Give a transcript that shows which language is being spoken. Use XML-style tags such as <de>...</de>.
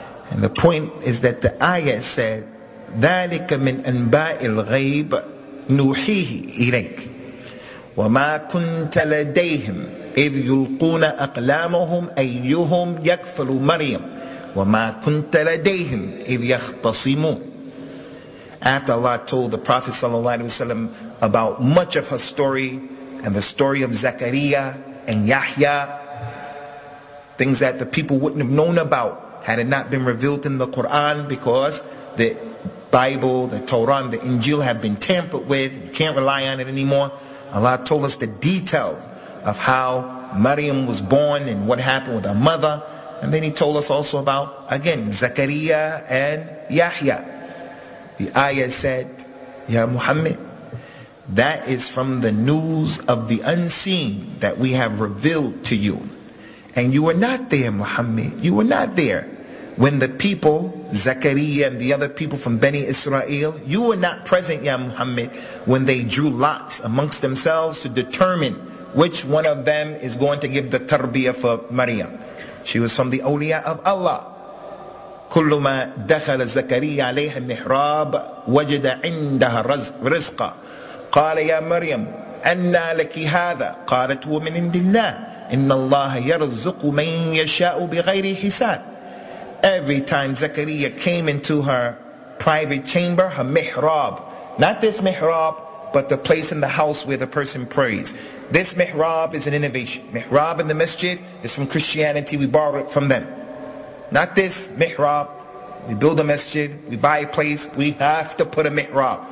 <en>And the point is that the ayah said,</en> <ar>ذَلِكَ مِنْ أَنْبَاءِ الْغَيْبَ نُوحِيهِ إِلَيْكَ وَمَا كُنْتَ لَدَيْهِمْ إِذْ يُلْقُونَ أَقْلَامَهُمْ أَيُّهُمْ يَكْفَلُ مَرْيَمْ وَمَا كُنْتَ لَدَيْهِمْ إِذْ يَخْتَصِمُونَ.</ar> <en>After Allah told the Prophet ﷺ about much of her story and the story of Zakaria and Yahya, things that the people wouldn't have known about had it not been revealed in the Quran, because the Bible, the Torah, the Injil have been tampered with. You can't rely on it anymore. Allah told us the details of how Maryam was born and what happened with her mother. And then he told us also about, again, Zakaria and Yahya. The ayah said, Ya Muhammad, that is from the news of the unseen that we have revealed to you. And you were not there, Muhammad. You were not there when the people, Zakaria and the other people from Bani Israel, you were not present, Ya Muhammad, when they drew lots amongst themselves to determine which one of them is going to give the tarbiyah for Maryam. She was from the awliya of Allah.</en> <ar>كلما دخل زكريا عليها المحراب وجد عندها رزقا قال يا مريم أنى لك هذا قالت هو من عند الله إن الله يرزق من يشاء بغير حساب.</ar> <en>Every time Zakaria came into her private chamber, her mihrab, not this mihrab, but the place in the house where the person prays. This mihrab is an innovation. Mihrab in the masjid is from Christianity. We borrowed it from them. Not this mihrab. We build a masjid, we buy a place, we have to put a mihrab.</en>